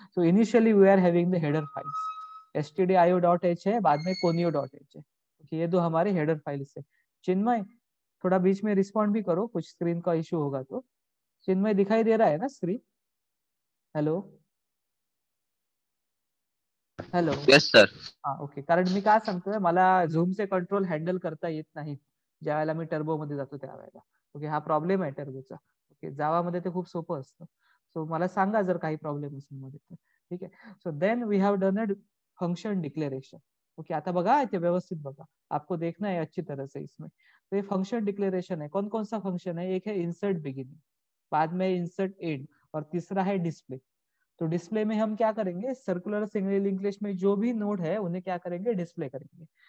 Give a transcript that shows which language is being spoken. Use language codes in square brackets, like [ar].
[en] तो initially we are having the header files stdio.h है, बाद में conio.h है. [hi] ओके ये दो हमारे हेडर फाइल्स है. चिन्मय थोड़ा बीच में रिस्पॉन्ड भी करो कुछ स्क्रीन का इशू होगा तो. चिन्मय दिखाई दे रहा है ना screen? Hello [en] Hello. Yes sir. हा okay. [mr] कारण मी काय सांगतोय, मला झूमचे कंट्रोल हँडल करता येत नाही ज्या वेळेला मी टर्बो मध्ये जातो त्या वेळेला. ओके, हा प्रॉब्लेम आहे टर्बोचा. ओके, जावामध्ये ते खूप सोपं असतं. सो मला सांगा जर काही प्रॉब्लेम असेल मध्ये. ठीक आहे. [en] So then we have done a function declaration. [mr] Okay, आता बघा ते व्यवस्थित बघा, [hi] आपको देखना है अच्छी तरह से इसमें. तो ये फंक्शन डिक्लेरेशन है, कौन कौन सा फंक्शन है? एक है इंसर्ट बिगिनिंग, बाद में इंसर्ट एंड, और तीसरा है डिस्प्ले. तो डिस्प्ले में हम क्या करेंगे, सर्कुलर सिंगल इंग्लिश में जो भी नोड है उन्हें क्या करेंगे, डिस्प्ले करेंगे.